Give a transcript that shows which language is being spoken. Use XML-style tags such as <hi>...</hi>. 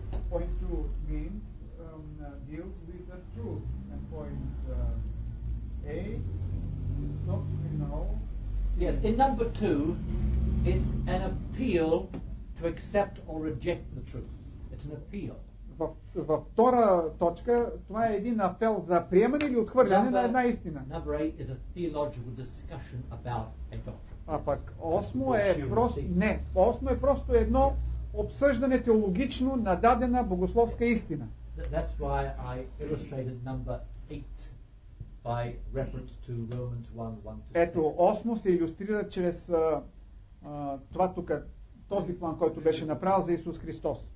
<en>Point 2 means deals with the truth, and point 8 doctrinal. Yes, in number 2 it's an appeal to accept or reject the truth. It's an appeal.</en> <bg>Във втора точка това е един апел за приемане или отхвърляне на една истина.</bg> <en>Number 8 is a theological discussion about a doctrine.</en> <bg>А пък осмо е просто не, осмо е просто едно обсъждане теологично на дадена богословска истина.</bg> <en>That's why I illustrated number 8 by reference to Romans 1:1-6.</en> <bg>Ето осмо се илюстрира чрез това тук, този план, който беше направил за Исус Христос.</bg>